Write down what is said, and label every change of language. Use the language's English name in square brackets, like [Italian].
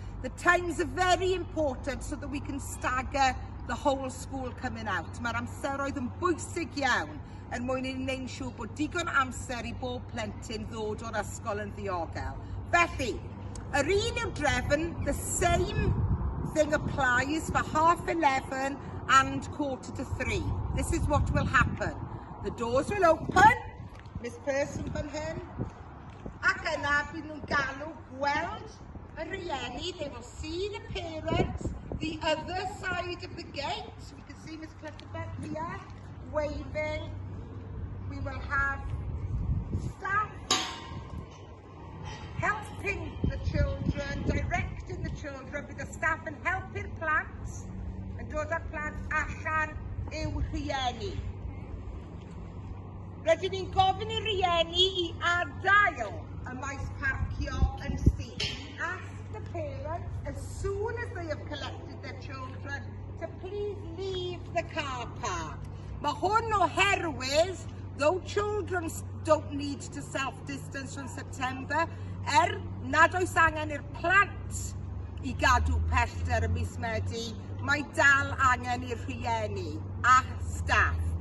[English] The times are very important so that we can stagger the whole school coming out. [Welsh] Mae'r amseroedd yn bwysig iawn yn mwyn i'n neud siŵr bod digon amser I bob plentyn ddod o'r ysgol yn ddiogel. Felly, yr un yw drefn, [English] the same thing applies for 11:30 and 3:15. This is what will happen. The doors will open, Miss Person [Welsh] fan hyn, ac yna bydd nhw'n galw gweld y rieni. [English] They will see the parents, the other side of the gate. We can see Miss Clutterbeck here waving. We will have staff helping the children. children, [Welsh] bydd y staff yn helpu'r plant, yn dod â'r plant allan i'w rhieni. Rydyn ni'n gofyn i'r rhieni i adael y maes parcio yn syth. [English] Ask the parents, as soon as they have collected their children, to please leave the car park. [Welsh] Mae hwn oherwydd, [English] though children don't need to self-distance from September, [Welsh] nad oes angen i'r plant i gadw pellter y mis Medi, mae dal angen i'r rhieni a staff.